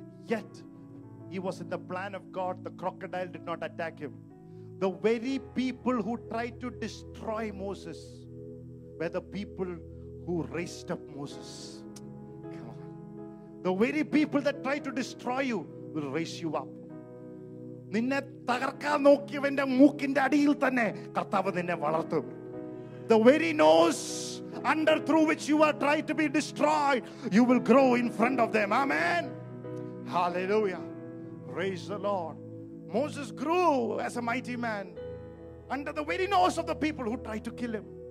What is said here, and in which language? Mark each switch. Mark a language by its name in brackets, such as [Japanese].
[English] Yet, he was in the plan of God. The crocodile did not attack him. The very people who tried to destroy Moses were the people who raised up Moses. Come on. The very people that try to destroy you will raise you up. [Malayalam] നിന്നെ തകർക്കാൻ നോക്കിയവന്റെ മൂക്കിന്റെ അടിയിൽ തന്നെ കർത്താവ് നിന്നെ വളർത്തും. [English] The very nose under through which you are trying to be destroyed, you will grow in front of them. Amen. Hallelujah. Praise the Lord. Moses grew as a mighty man under the very nose of the people who tried to kill him.